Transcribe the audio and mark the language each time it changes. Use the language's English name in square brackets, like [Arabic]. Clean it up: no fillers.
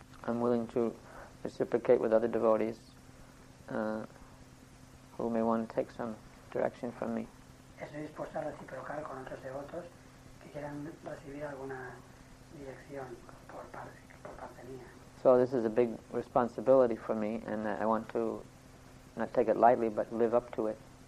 [English] I'm willing to reciprocate with other devotees who may want to take some direction from me. [Spanish] Estoy dispuesto a reciprocar con otros devotos que quieran recibir alguna dirección por parte mía. [English] So this is a big responsibility for me, and I want to not take it lightly, but live up to it.